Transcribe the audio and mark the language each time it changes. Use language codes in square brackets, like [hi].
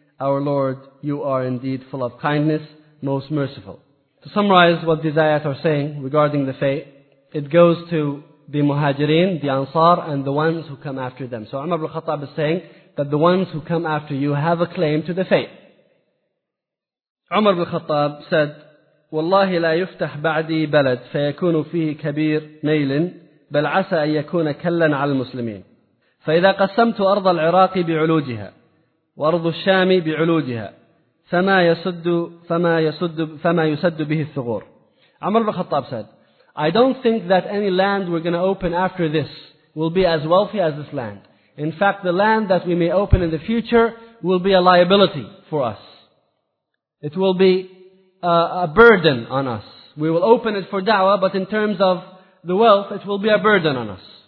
[en] Our Lord, you are indeed full of kindness, most merciful." To summarize what these ayat are saying regarding the faith, it goes to the muhajirin, the ansar, and the ones who come after them. So Umar ibn al-Khattab is saying that the ones who come after you have a claim to the faith. Umar ibn al-Khattab said, [ar] "Wallahi la yuftah ba'di balad fayakunu fihi kabir naylin بل عسى أن يكون كلا على المسلمين فإذا قسمت أرض العراق بعلوجها وأرض الشام بعلوجها فما يسد به الثغور." [en] عمر بن الخطاب said, "I don't think that any land we're going to open after this will be as wealthy as this land. In fact, the land that we may open in the future will be a liability for us. It will be a burden on us. We will open it for da'wah, but in terms of the wealth, it will be a burden on us.